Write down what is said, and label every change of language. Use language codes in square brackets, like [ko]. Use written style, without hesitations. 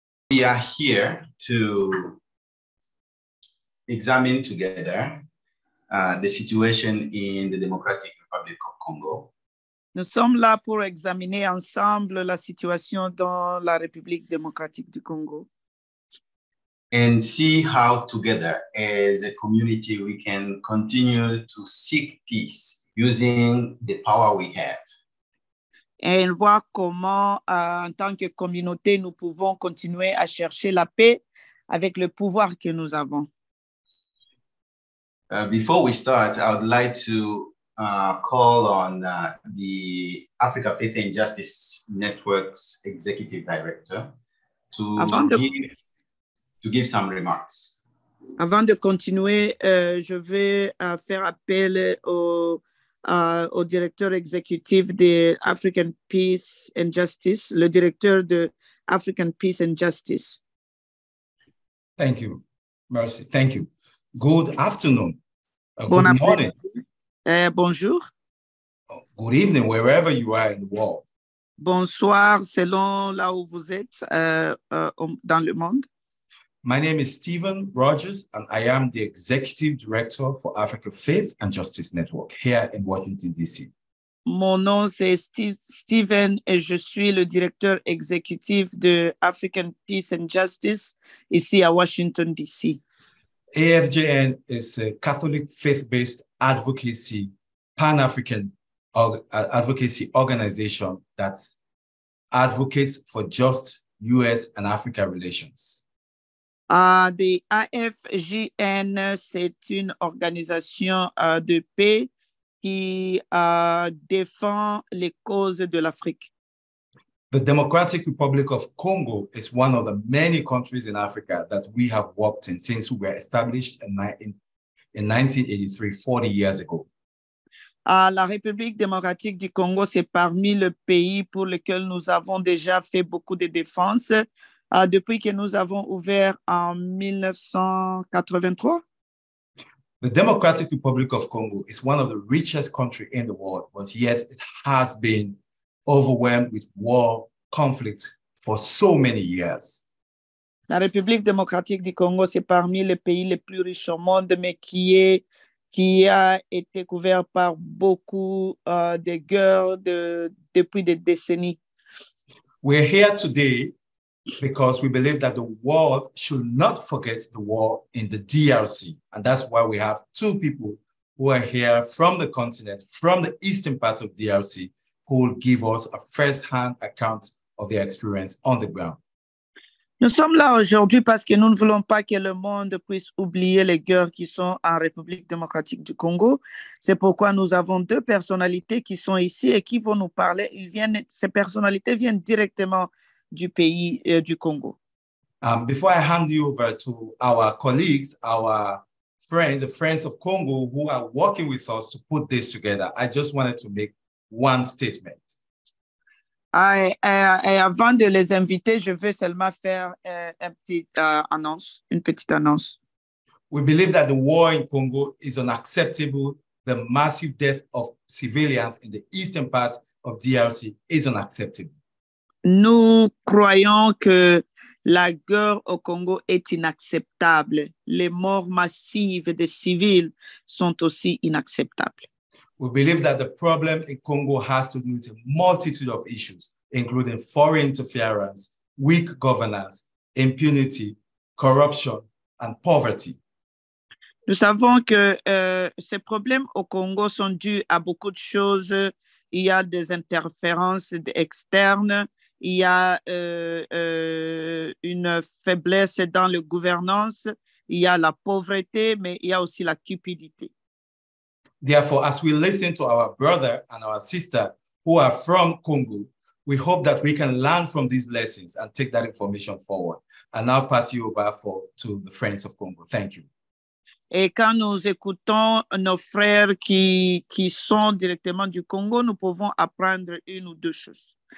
[en] We are here to examine together the situation in the Democratic Republic of Congo. [fr] Nous sommes là pour examiner ensemble la situation dans la République démocratique du Congo. [en] And see how together as a community we can continue to seek peace using the power we have. [fr] Et voir comment, en tant que communauté, nous pouvons continuer à chercher la paix avec le pouvoir que nous avons. [en] Before we start, I would like to call on the Africa Faith and Justice Network's Executive Director to give some remarks. [fr] Avant de continuer, je vais faire appel au directeur exécutif de African Peace and Justice, le directeur de African Peace and Justice. [en] Thank you. [fr] Merci. [en] Thank you. Good afternoon. Good morning. [fr] Bonjour. [en] Good evening, wherever you are in the world. [fr] Bonsoir, selon là où vous êtes dans le monde. [en] My name is Stephen Rogers, and I am the Executive Director for Africa Faith and Justice Network here in Washington, D.C. [fr] Mon nom, c'est Stephen, et je suis le directeur exécutif de African Peace and Justice ici à Washington, D.C. [en] AFJN is a Catholic faith-based advocacy, pan-African advocacy organization that advocates for just U.S. and Africa relations. [fr] The AFJN, c'est une organisation de paix qui défend les causes de l'Afrique. [en] The Democratic Republic of Congo is one of the many countries in Africa that we have worked in since we were established in 1983, 40 years ago. [fr] La République démocratique du Congo, c'est parmi le pays pour lequel nous avons déjà fait beaucoup de défense. Depuis que nous avons ouvert en 1983. [en] The Democratic Republic of Congo is one of the richest countries in the world, but yet it has been overwhelmed with war, conflict for so many years. [fr] La République démocratique du Congo, c'est parmi les pays les plus riches au monde, mais qui a été couvert par beaucoup de guerres depuis des décennies. [en] We're here today because we believe that the world should not forget the war in the DRC. And that's why we have two people who are here from the continent, from the eastern part of DRC, who will give us a first-hand account of their experience on the ground. [fr] Nous sommes là aujourd'hui parce que nous ne voulons pas que le monde puisse oublier les guerres qui sont en République démocratique du Congo. C'est pourquoi nous avons deux personnalités qui sont ici et qui vont nous parler. Ces personnalités viennent directement du pays du Congo. [en] Before I hand you over to our colleagues, our friends, the friends of Congo who are working with us to put this together, I just wanted to make one statement. [fr] Avant de les inviter, je veux seulement faire une petite annonce. [en] We believe that the war in Congo is unacceptable. The massive death of civilians in the eastern part of DRC is unacceptable. [fr] Nous croyons que la guerre au Congo est inacceptable. Les morts massives des civils sont aussi inacceptables. [en] We believe that the problem in Congo has to do with a multitude of issues, including foreign interference, weak governance, impunity, corruption, and poverty. [fr] Nous savons que ces problèmes au Congo sont dus à beaucoup de choses. Il y a des interférences externes. Il y a une faiblesse dans la gouvernance, il y a la pauvreté, mais il y a aussi la cupidité. [en] Therefore, as we listen to our brother and our sister who are from Congo, we hope that we can learn from these lessons and take that information forward. And I'll pass you over to the friends of Congo. Thank you. [fr] Et quand nous écoutons nos frères qui sont directement du Congo, nous pouvons apprendre une ou deux choses.